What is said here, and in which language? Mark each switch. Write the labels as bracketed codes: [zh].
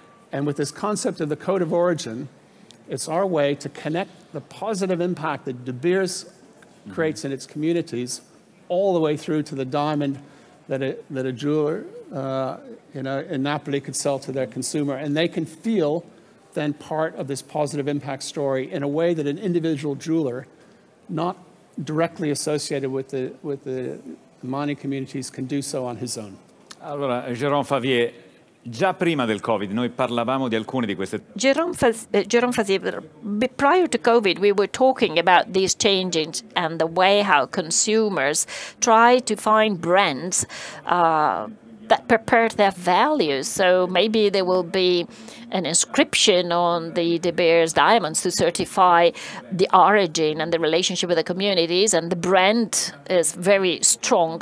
[en] And with this concept of the code of origin, it's our way to connect the positive impact that De Beers creates in its communities all the way through to the diamond that a jeweler in Napoli could sell to their consumer. And they can feel then part of this positive impact story in a way that an individual jeweler not directly associated with the mining communities can do so on his own. [it] Allora, Jerome Favier, già prima del Covid noi parlavamo di alcune di queste. [en] Prior to Covid we were talking about these changes and the way how consumers try to find brands that prepare their values. So maybe there will be an inscription on the De Beers diamonds to certify the origin and the relationship with the communities, and the brand is very strong.